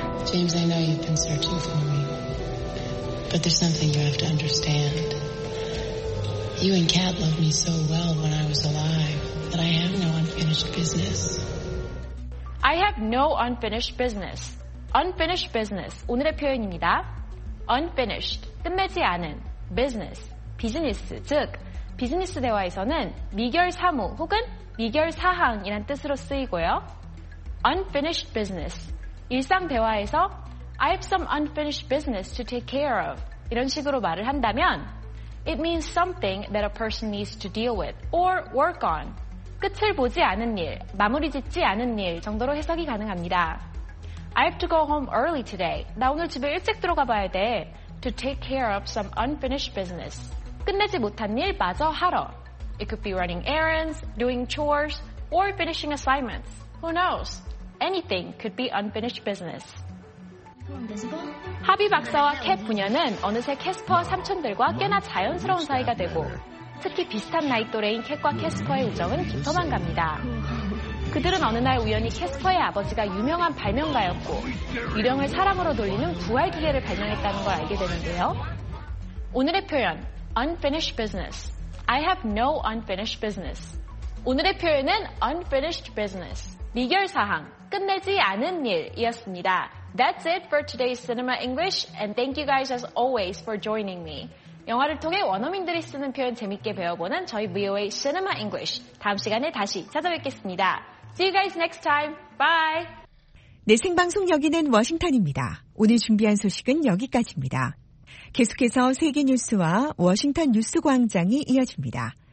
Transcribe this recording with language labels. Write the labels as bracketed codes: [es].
[en] James, I know you've been searching for me. But there's something you have to understand. You and Kat loved me so well when I was alive that I have no unfinished business. I have no unfinished business. [ko] Unfinished business, 오늘의 표현입니다. Unfinished, 끝내지 않은, business, 비즈니스, 즉, 비즈니스 대화에서는 미결 사무 혹은 미결 사항이란 뜻으로 쓰이고요. [en] Unfinished business, [ko] 일상 대화에서 [en] I have some unfinished business to take care of, [ko] 이런 식으로 말을 한다면 [en] It means something that a person needs to deal with or work on. [ko] 끝을 보지 않은 일, 마무리 짓지 않은 일 정도로 해석이 가능합니다. [en] I have to go home early today. [ko] 나 오늘 집에 일찍 들어가 봐야 돼. [en] To take care of some unfinished business. [ko] 끝내지 못한 일 마저 하러. [en] It could be running errands, doing chores, or finishing assignments. Who knows? Anything could be unfinished business. [ko] 하비 박사와 캣 부녀는 어느새 캐스퍼 삼촌들과 꽤나 자연스러운 사이가 되고 특히 비슷한 나이 또래인 캣과 캐스퍼의 우정은 깊어만 갑니다. 그들은 어느 날 우연히 캐스퍼의 아버지가 유명한 발명가였고 유령을 사람으로 돌리는 부활기계를 발명했다는 걸 알게 되는데요. 오늘의 표현, unfinished business. [en] I have no unfinished business. [ko] 오늘의 표현은 unfinished business. 미결사항, 끝내지 않은 일이었습니다. [en] That's it for today's Cinema English, and thank you guys as always for joining me. [ko] 영화를 통해 원어민들이 쓰는 표현 재밌게 배워보는 저희 VOA Cinema English. 다음 시간에 다시 찾아뵙겠습니다. [en] See you guys next time. Bye! [ko] 네, 생방송 여기는 워싱턴입니다. 오늘 준비한 소식은 여기까지입니다. 계속해서 세계 뉴스와 워싱턴 뉴스 광장이 이어집니다.